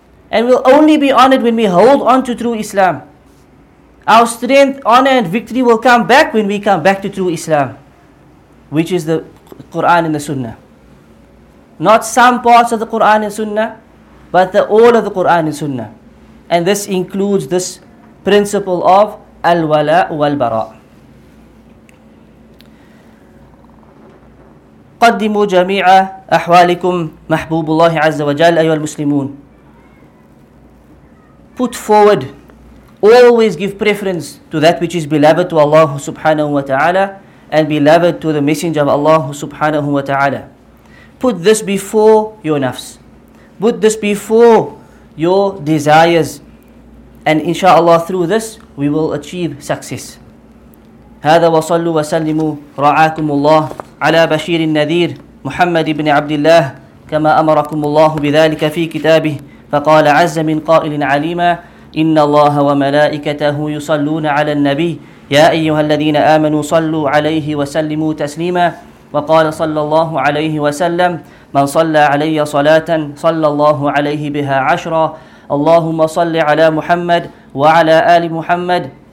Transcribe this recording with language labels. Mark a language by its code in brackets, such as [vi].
[en] And we'll only be honored when we hold on to true Islam. Our strength, honor and victory will come back when we come back to true Islam, which is the Quran and the Sunnah. Not some parts of the Quran and Sunnah, but the all of the Quran and Sunnah. And this includes this principle of Al-Wala wal-Bara. [ar] قدموا جميع أحوالكم محبوب الله عز وجل أيها المسلمون. [en] Put forward, always give preference to that which is beloved to Allah subhanahu wa ta'ala and beloved to the Messenger of Allah subhanahu wa ta'ala. Put this before your nafs. Put this before your desires. And inshallah through this, we will achieve success. [ar] هذا وصلوا وسلموا رعاكم الله على بشير النذير محمد بن عبد الله كما أمركم الله بذلك في كتابه فقال عز من قائل عليما إن الله وملائكته يصلون على النبي يا أيها الذين آمنوا صلوا عليه وسلموا تسليما وقال صلى الله عليه وسلم من صلى علي صلاة صلى الله عليه بها عشرا اللهم صل على محمد وعلى آل محمد